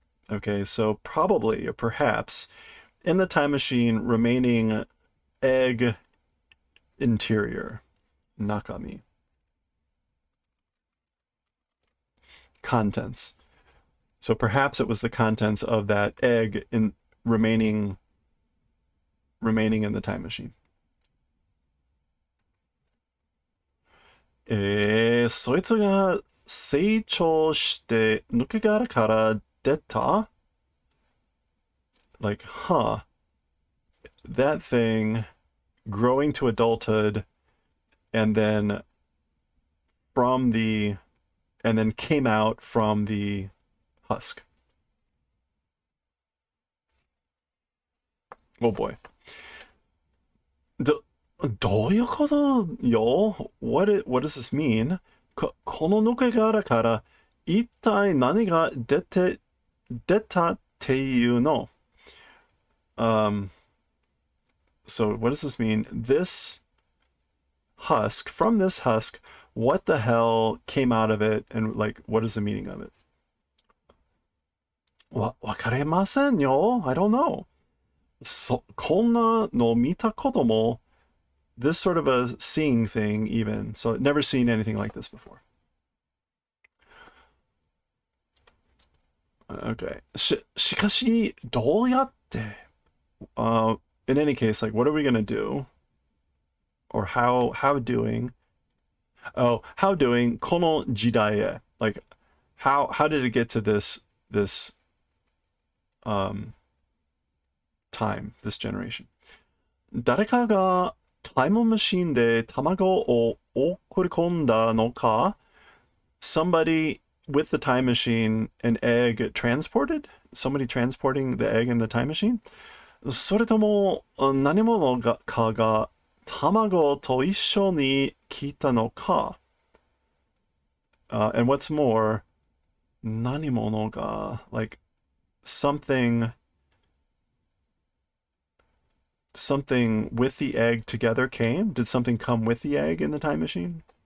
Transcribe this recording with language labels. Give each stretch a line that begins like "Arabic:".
English: Okay, so probably or perhaps in the time machine remaining egg interior, nakami. Contents. So perhaps it was the contents of that egg in remaining in the time machine.
Japanese: そいつが成長して抜け殻から出た?
English: Like, huh? That thing growing to adulthood and then from the and then came out from the husk. Oh boy.
Japanese: どういうことよ?
English: What does this mean?
Japanese: この抜け殻から一体何が出たっていうの?
English: So what does this mean? This husk, from this husk, what the hell came out of it, and like, what is the meaning of it?
Japanese: わかりませんよ。
English: I don't know.
Japanese: こんなの見たことも。
English: This sort of a seeing thing, even. So, never seen anything like this before. Okay.
Japanese: しかし、どうやって?
English: In any case, like, what are we gonna do? Or how doing? Oh, how doing?
Japanese: この時代へ。
English: Like, how did it get to this generation?
Japanese: 誰かがタイムマシンで卵を送り込んだのか?
English: Somebody with the time machine, an egg transported? Somebody transporting the egg in the time machine?
Japanese: それとも何者かが卵と一緒に来たのか?
English: And what's more,
Japanese: 何者が、
English: like, something with the egg together came? Did something come with the egg in the time machine?